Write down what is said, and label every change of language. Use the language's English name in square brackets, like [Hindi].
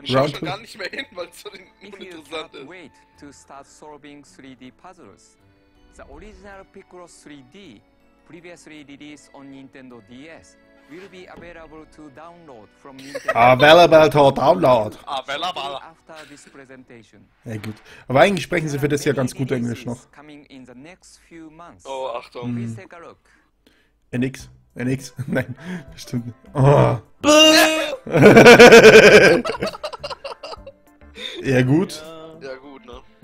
[German] Ich schau schon gar nicht mehr hin, weil es so uninteressant ist. [English] Wait to start solving 3D puzzles. The original Picross 3D, previously released on Nintendo DS, will be available to download from Nintendo. Available to download! Available! After this presentation. [German] Ja, gut. Aber eigentlich sprechen sie für das ja ganz gut Englisch noch. [English] Coming in the next few months. Oh, [German] Achtung. [English] Please take a look. [German] NX? NX? Nein, bestimmt nicht. Oh. Ja, gut. Ja, gut, ne?